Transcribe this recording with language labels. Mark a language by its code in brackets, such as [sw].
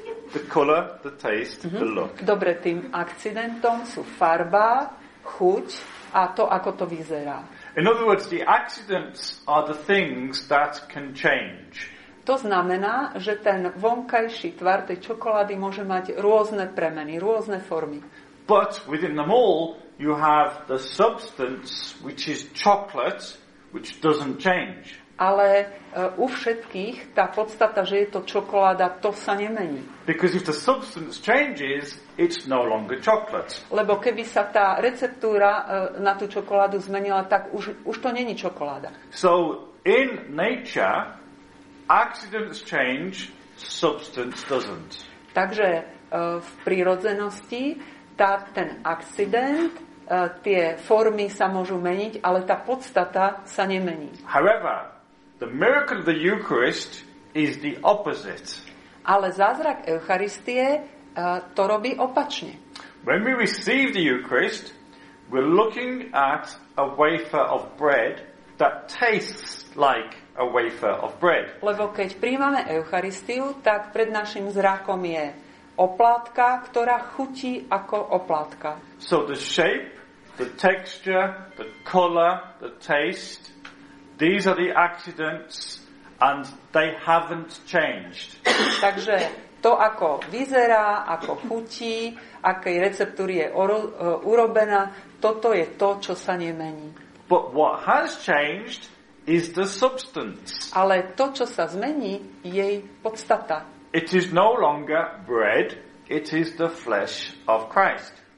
[en] The color, the taste, the look. [sk] Dobre, tým akcidentom sú farba, chuť a to, ako to vyzerá. [en] In other words, the accidents are the things that can change. [sk] To znamená, že ten vonkajší tvar tej čokolády môže mať rôzne premeny, rôzne formy. [en] But within them all, you have the substance, which is chocolate, which doesn't change. [sk] Ale u všetkých tá podstata, že je to čokoláda, to sa nemení. [en] Because if the substance changes, it's no longer chocolate. [sk] Lebo keby sa tá receptúra na tú čokoládu zmenila, tak už to není čokoláda. [en] So in nature, accidents change, substance doesn't. [sk] Takže v prírodzenosti ten accident, tie formy sa môžu meniť, ale tá podstata sa nemení. [en] However, the miracle of the Eucharist is the opposite. [sk] Ale zázrak Eucharistie to robí opačne. [en] When we receive the Eucharist, we're looking at a wafer of bread that tastes like a wafer of bread. [sk] Lebo keď prijímame Eucharistiu, tak pred našim zrakom je oplátka, ktorá chutí ako oplátka. [en] So the shape, the texture, the color, the taste, these are the accidents and they haven't changed. [sk] Takže to, ako vyzerá, ako chutí, akej receptúry je urobená, toto je to, čo sa nemení. [en] But what has changed is the substance. [sk] Ale to, čo sa zmení, jej podstata. [en] It is no longer bread, it is the flesh of Christ.